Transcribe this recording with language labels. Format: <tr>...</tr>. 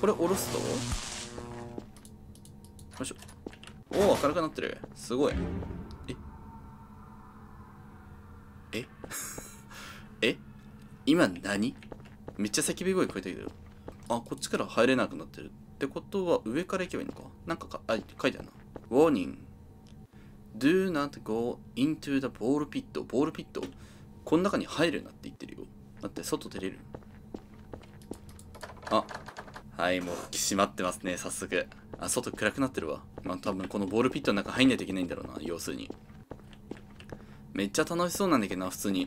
<ja>これ下ろすと、よいしょ。おお、明るくなってる。すごい。ええ今何？めっちゃ叫び声聞こえてるけど。あ、こっちから入れなくなってる。ってことは、上から行けばいいのか。なんか、あ、書いてあるな。</ja> <en>Warning. Do not go into the ball pit.</en> <ja>ボールピット。この中に入るなって言ってるよ。待って、外出れる。あ、はい、もう閉まってますね、早速。あ、外暗くなってるわ。まあ、多分このボールピットの中入んないといけないんだろうな、要するに。めっちゃ楽しそうなんだけどな、普通に。</ja>